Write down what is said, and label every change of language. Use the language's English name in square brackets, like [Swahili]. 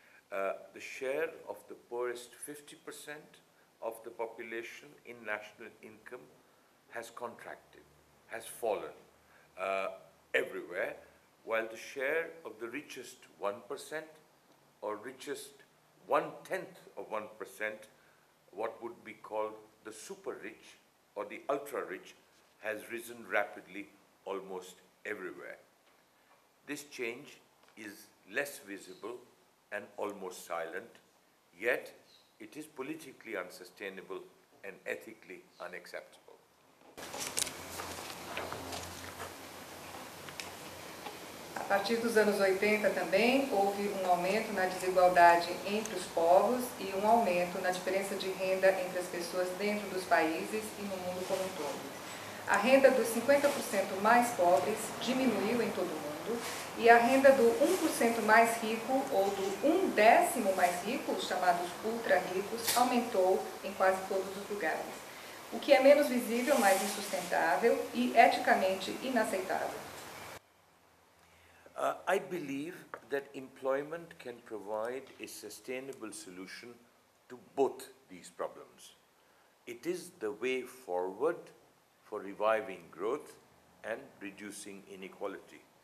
[English] The share of the poorest 50% of the population in national income has contracted, has fallen everywhere, while the share of the richest 1% or richest 1/10 of 1%, what would be called the super rich or the ultra rich, has risen rapidly almost everywhere. This change is less visible and almost silent, yet it is politically unsustainable and ethically unacceptable. [Portuguese] A partir dos anos 80 também houve um aumento na desigualdade entre os povos e um aumento na diferença de renda entre as pessoas dentro dos países e no mundo como um todo. A renda dos 50% mais pobres diminuiu em todo o mundo e a renda do 1% mais rico ou do 1/10 mais rico, os chamados ultra-ricos, aumentou em quase todos os lugares. O que é menos visível, mais insustentável e eticamente inaceitável. [English] I believe that employment can provide a sustainable solution to both these problems. It is the way forward for reviving growth and reducing inequality.